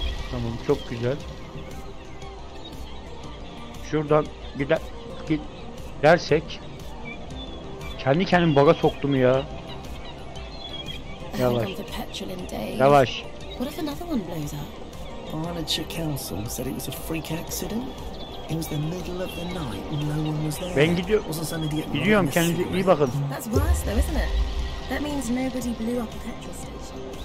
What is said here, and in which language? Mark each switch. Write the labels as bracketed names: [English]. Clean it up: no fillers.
[Turkish] Tamam çok güzel. Şuradan gidersek kendi kendimi baga soktum ya. Yavaş. Yavaş. [English] What if another one blows up? Barnacher Council said it was a freak accident. It was the middle of the night and no one was there. [Turkish] Ben gidiyorum kendinize iyi bakın. [English] That's worse though, isn't it? That means nobody blew up the petrol station.